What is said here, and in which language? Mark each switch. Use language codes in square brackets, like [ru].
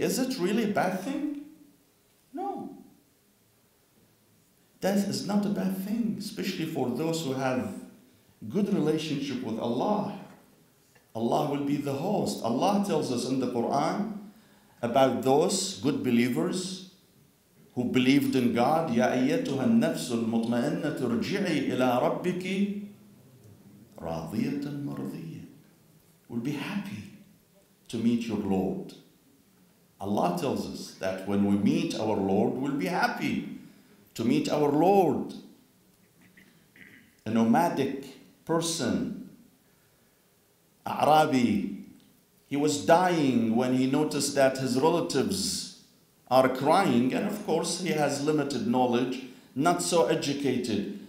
[en] Is it really a bad thing? No. Death is not a bad thing, especially for those who have good relationship with Allah. Allah will be the host. Allah tells us in the Quran about those good believers who believed in God, [ar] يا أيتها النفس المطمئنة ارجعي إلى ربك راضية مرضية. [en] We'll be happy to meet your Lord. Allah tells us that when we meet our Lord, we'll be happy to meet our Lord. A nomadic person, Arabi, he was dying when he noticed that his relatives are crying, and of course he has limited knowledge, not so educated.